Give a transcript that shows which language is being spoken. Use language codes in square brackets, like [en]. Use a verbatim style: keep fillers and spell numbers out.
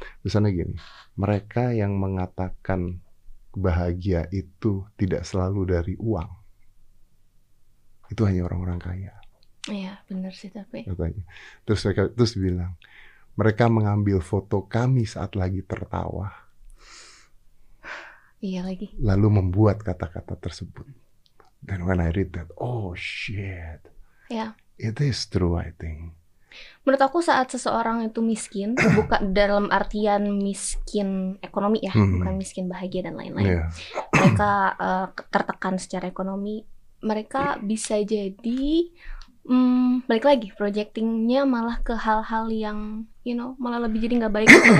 [id] Tulisannya gini, mereka yang mengatakan bahagia itu tidak selalu dari uang. Itu hanya orang-orang kaya. Iya, benar sih tapi. Katanya. Terus mereka terus bilang, mereka mengambil foto kami saat lagi tertawa. Iya lagi. Lalu membuat kata-kata tersebut. [en] Dan when I read that, oh shit. Yeah. It is true, I think. [id] Menurut aku saat seseorang itu miskin, bukan dalam artian miskin ekonomi ya, mm-hmm. bukan miskin bahagia dan lain-lain. Yeah. Mereka uh, tertekan secara ekonomi, mereka bisa jadi hmm, balik lagi projectingnya malah ke hal-hal yang, [en] you know, [id] malah lebih jadi nggak baik.